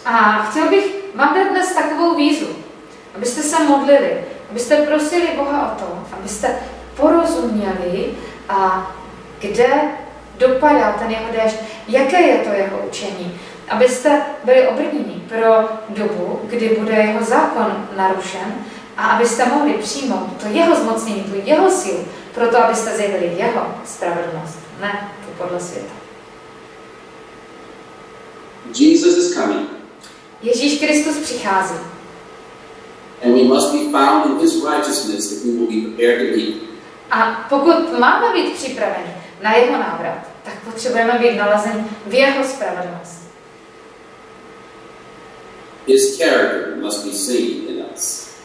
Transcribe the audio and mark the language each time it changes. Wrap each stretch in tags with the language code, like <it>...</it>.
<cs>A chtěl bych vám dát dnes takovou výzvu, abyste se modlili, abyste prosili Boha o to, abyste porozuměli, a kde dopadá ten jeho déšť, jaké je to jeho učení, abyste byli obrnění pro dobu, kdy bude jeho zákon narušen, a abyste mohli přijmout to jeho zmocnění, tu jeho sílu, proto abyste zjevili jeho spravedlnost, ne tu podle světa.</cs> <en>Jesus is coming.</en> <cs>Ježíš Kristus přichází.</cs> <en>And we must be found in his righteousness if we will be prepared to be.</en> <cs>A pokud máme být připraveni na jeho návrat, tak potřebujeme být nalezeni v jeho spravedlnosti.</cs> <en>His character must be seen in us.</en>